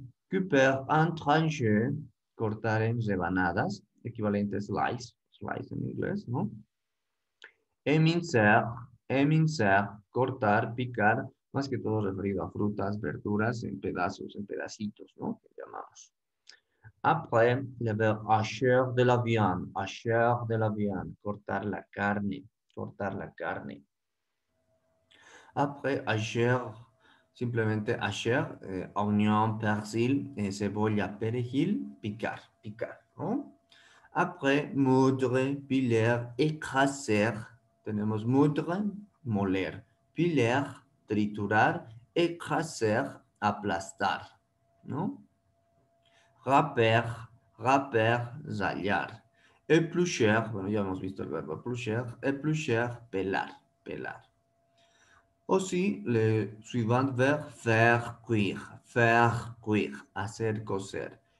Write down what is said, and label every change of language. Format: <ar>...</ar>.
<fr>Couper en tranches,</fr> <es>cortar en rebanadas, equivalente a slice en inglés, ¿no? Émincer, cortar, picar, más que todo referido a frutas, verduras, en pedazos, en pedacitos, ¿no? Que llamamos.</es> <fr>Après, le verbe hacher de la viande. Hacher de la viande.</fr> <es>Cortar la carne. Cortar la carne.</es> <fr>Après, hacher. Simplemente hacher.</fr> <es>Oignon, persil, cebolla, perejil. Picar. ¿No?</es> <fr>Après, moudre, piler, écraser.</fr> <es>Tenemos moudre, moler. Piler, triturar. Écraser, aplastar. ¿No? Raper, rallar. Éplucher, bueno, ya hemos visto el verbo éplucher. Éplucher, pelar.</es> <fr>O sí, le suivant verbe, faire cuire,</fr> <es>hacer coser.</es>